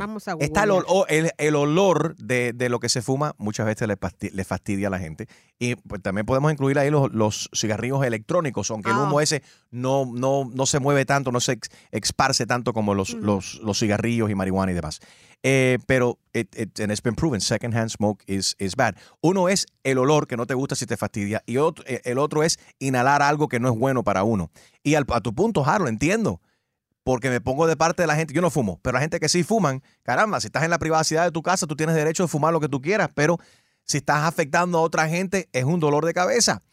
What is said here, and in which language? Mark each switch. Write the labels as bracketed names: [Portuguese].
[Spanish] Vamos a está el olor de lo que se fuma, muchas veces le fastidia a la gente. Y pues, también podemos incluir ahí los cigarrillos electrónicos, aunque el humo ese no se mueve tanto, no se esparce tanto como los cigarrillos y marihuana y demás. [English] And it's been proven, secondhand smoke is bad. [Spanish] Uno es el olor que no te gusta si te fastidia, y el otro es inhalar algo que no es bueno para uno. Y a tu punto, Harold, entiendo, porque me pongo de parte de la gente. Yo no fumo, pero la gente que sí fuman, caramba, si estás en la privacidad de tu casa, tú tienes derecho de fumar lo que tú quieras, pero si estás afectando a otra gente, es un dolor de cabeza.